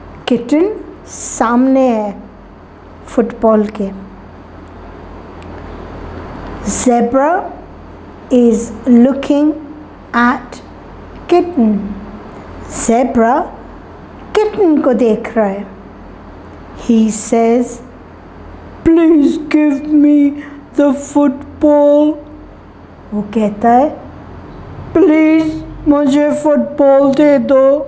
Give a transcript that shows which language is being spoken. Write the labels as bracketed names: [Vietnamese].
[Hindi] Kitten सामने है football के. [English] Zebra is looking at kitten. [Hindi] Zebra kitten को देख रहा है. [English] He says, please give me the football. [Hindi] वो कहता है, please मुझे फुटबॉल दे दो.